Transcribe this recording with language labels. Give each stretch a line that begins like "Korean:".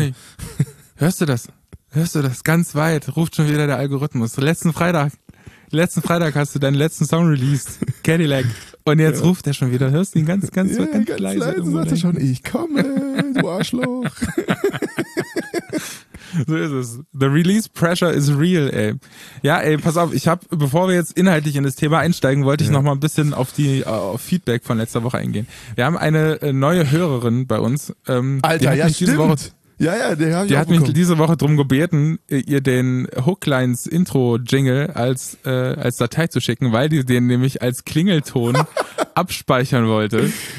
German: Johnny, hörst du das? Hörst du das? Ganz weit ruft schon wieder der Algorithmus. Letzten Freitag hast du deinen letzten Song released, Cadillac. Und jetzt ruft er schon wieder. Hörst du ihn ganz leise. Sagt er schon, ich komme, du Arschloch. So ist es.
English: The release pressure is real, ey.
German: Ja, ey, pass auf, ich habe, bevor wir jetzt inhaltlich in das Thema einsteigen, wollte ich nochmal ein bisschen auf Feedback von letzter Woche eingehen. Wir haben eine neue Hörerin bei uns. Alter, ja, stimmt. Diese Woche drum gebeten, ihr den Hooklines Intro Jingle als Datei zu schicken, weil die den nämlich als Klingelton abspeichern wollte.